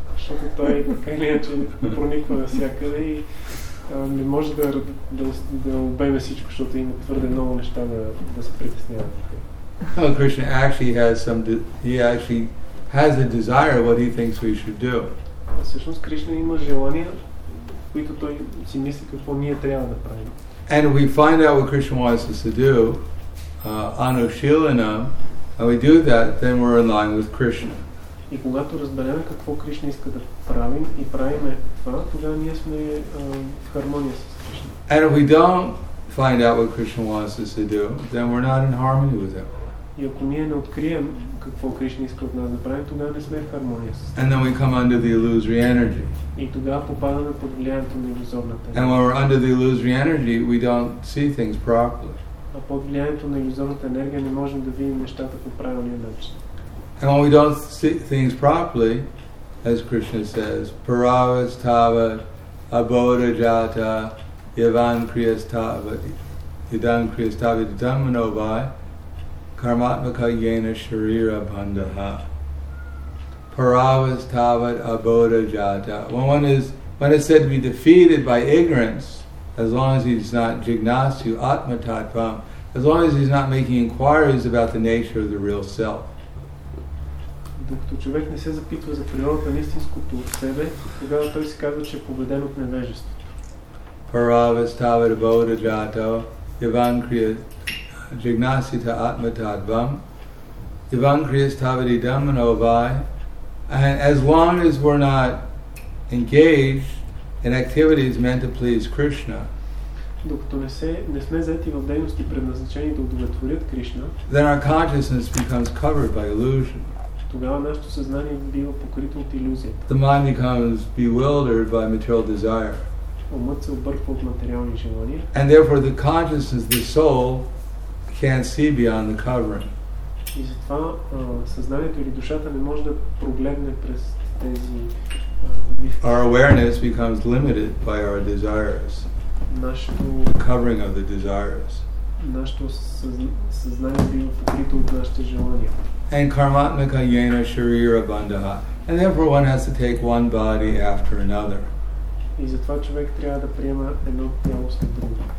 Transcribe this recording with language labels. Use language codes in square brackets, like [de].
[bg] защото той така или иначе прониква навсякъде и не може да обеме всичко, защото има твърде много неща да се притесняват. [en] Well, Krishna actually has some he actually has a desire what he thinks we should do. [bg] Всъщност Кришна има желания, които той си мисли какво ние трябва да правим. [en] And we find out what Krishna wants us to do, anushilanam, and we do that, then we're in line with Krishna. [bg] И когато разберем какво Кришна иска да правим и правим това, тогава ние сме в хармония с Кришна. [en] And if we don't find out what Krishna wants us to do, then we're not in harmony with him. [bg] И ако ние не открием какво Кришна иска от нас да правим, тогава не сме в хармония с. [en] And then we come under the illusory energy. [bg] И тогава попадаме под влиянието на иллюзорната. [en] And when we're under the illusory energy, we don't see things properly. [bg] А под влиянието на иллюзорната енергия не можем да видим нещата по правилния начин. [en] And when we don't see things properly, as Krishna says, [sa] paravas tavat abodha jata yavan kriyas tavat yadan kriyas tavat yadan manobai karmatmaka yena sharira bandaha. Paravas tavat abodha jata. [en] When it's said to be defeated by ignorance, as long as he's not [sa] jignasu atmatatvam, [en] as long as he's not making inquiries about the nature of the real self. [bg] Докато човек не се запитва за природата на истинското от себе, тогава той си казва, че е победен от невежеството. [sa] Paravas tavat abodha jata yavan kriyas jignasita atmatadvam yavan kriyas tavat idam manovai. [en] And as long as we're not engaged in activities meant to please Krishna, [bg] докато не сме заети в дейности предназначени да удовлетворят Кришна, [en] then our consciousness becomes covered by illusion. [bg] Тогава нашето съзнание бива покрито от иллюзията. [en] The mind becomes bewildered by material desire. [bg] Умът се обърква от материални желания. [en] And therefore the consciousness, the soul, can't see beyond the covering. [bg] И затова съзнанието или душата не може да прогледне през тези мифки. [en] Our awareness becomes limited by our desires. The covering of the desires. [bg] Нашето съзнание бива покрито от нашите желания. [en] And [sa] karmatmaka yena sharira bandaha. [en] And therefore one has to take one body after another. [bg] И затова човек трябва да приема едно тяло след друго.